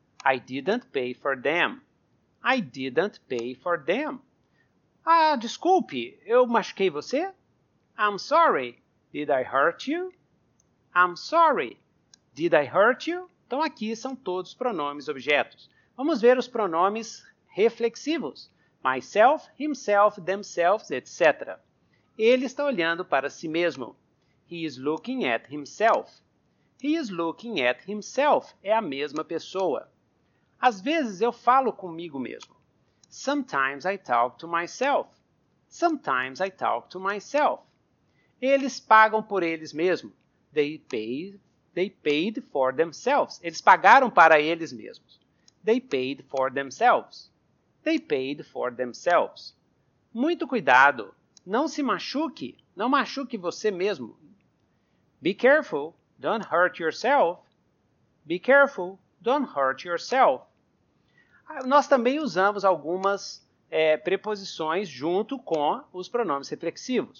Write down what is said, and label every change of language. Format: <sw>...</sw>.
<en>I didn't pay for them. I didn't pay for them.</en> <pt>Ah, desculpe, eu machuquei você?</pt> <en>I'm sorry, did I hurt you? I'm sorry, did I hurt you?</en> <pt>Então aqui são todos pronomes objetos. Vamos ver os pronomes reflexivos.</pt> <en>Myself, himself, themselves, etc.</en> <pt>Ele está olhando para si mesmo.</pt> <en>He is looking at himself. He is looking at himself.</en> <pt>É a mesma pessoa. Às vezes eu falo comigo mesmo.</pt> <en>Sometimes I talk to myself. Sometimes I talk to myself.</en> <pt>Eles pagam por eles mesmos.</pt> <en>They paid for themselves.</en> <pt>Eles pagaram para eles mesmos.</pt> <en>They paid for themselves. They paid for themselves.</en> <pt>Muito cuidado. Não se machuque. Não machuque você mesmo.</pt> <en>Be careful. Don't hurt yourself. Be careful. Don't hurt yourself.</en> <pt>Nós também usamos algumas preposições junto com os pronomes reflexivos.</pt>